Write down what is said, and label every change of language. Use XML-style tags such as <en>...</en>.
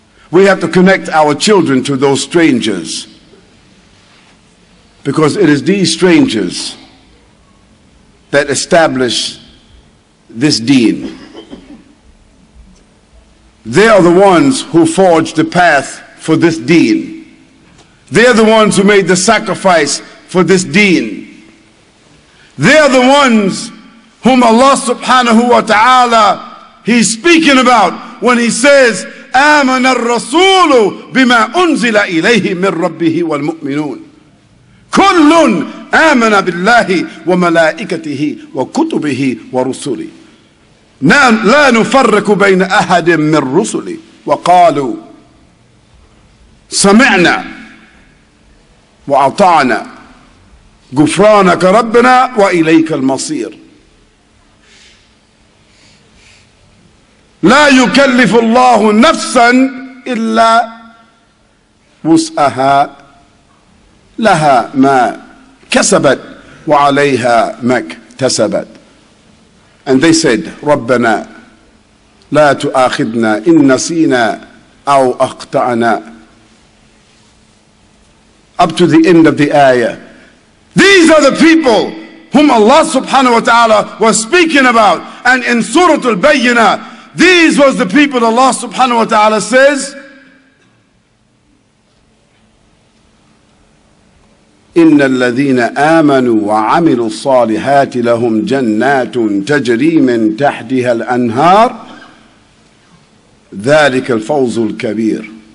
<en>We have to connect our children to those strangers. Because it is these strangers that establish this deen. They are the ones who forged the path for this deen. They are the ones who made the sacrifice for this deen. They are the ones whom Allah subhanahu wa ta'ala, He's speaking about when He says,</en> <ar>آمن الرسول بما أنزل إليه من ربه والمؤمنون كل آمن بالله وملائكته وكتبه ورسله لا نفرق بين أحد من رسله وقالوا سمعنا وأطعنا غفرانك ربنا وإليك المصير لا يكلف الله نفسا إلا وسعها لها ما كسبت وعليها ما اكتسبت.</ar> <en>And they said,</en> <ar>ربنا لا تؤاخذنا إن نسينا أو أخطأنا.</ar> <en>Up to the end of the ayah. These are the people whom Allah subhanahu wa ta'ala was speaking about. And in Surah Al-Bayyinah, these was the people Allah subhanahu wa ta'ala says,</en> <ar>إِنَّ الَّذِينَ آمَنُوا وَعَمِلُوا الصَّالِحَاتِ لَهُمْ جَنَّاتٌ تَجْرِي مِنْ تَحْتِهَا الْأَنْهَارُ ذَلِكَ الْفَوْزُ الْكَبِيرُ.</ar>